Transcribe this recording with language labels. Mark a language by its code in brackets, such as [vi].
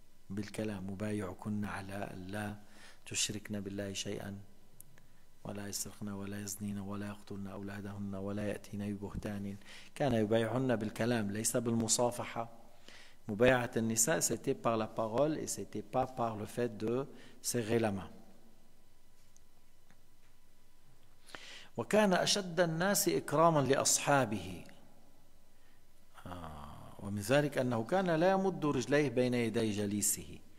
[ar] بالكلام وبايعكن على لا تشركن بالله شيئا ولا يسرقن ولا يزنين ولا يقتلن أولادهن ولا يأتين ببهتان. كان يبايعن بالكلام ليس بالمصافحة. مبايعة النساء [fr] c'était par la parole et c'était pas par le fait de serrer la main. [ar] وكان أشد الناس إكراما لأصحابه ومن ذلك أنه كان لا يمد رجليه بين يدي جليسه.